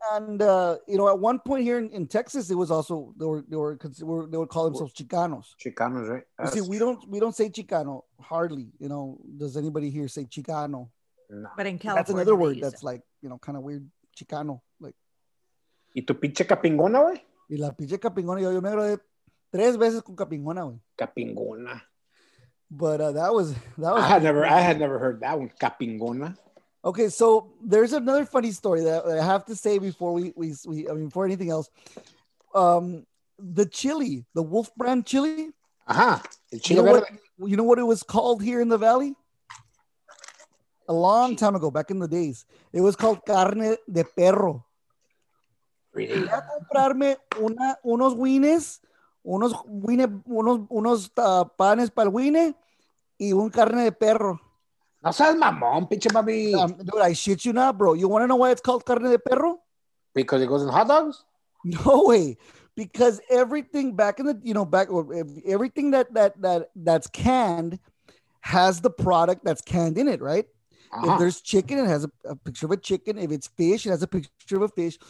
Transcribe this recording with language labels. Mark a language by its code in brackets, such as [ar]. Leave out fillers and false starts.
[en] You know, at one point here in Texas, it was also, they would call themselves Chicanos. Chicanos, right? You see, we don't say Chicano, hardly. You know, does anybody here say Chicano? No. But in California, that's another word that's like, you know, kind of weird, Chicano. Like, [es] ¿y tu pinche capingona, güey? Y la pinche capingona. Yo me gradué tres veces con capingona, güey. Capingona. [en] But that was. I had never heard that one. Capingona. Okay, so there's another funny story that I have to say before before anything else. The chili, the Wolf Brand chili. Aha. You know what it was called here in the valley? A long time ago, back in the days, it was called [es] carne de perro. [en] Really? [es] Voy a comprarme unos wienes, unos panes para el wiener y un carne de perro. No seas mamón, pinche mami. [en] Dude, I shit you not, bro. You want to know why it's called [es] carne de perro? [en] Because it goes in hot dogs? No way. Because everything back in the, you know, back, everything that's canned has the product that's canned in it, right? Uh-huh. If there's chicken, it has a picture of a chicken. If it's fish, it has a picture of a fish.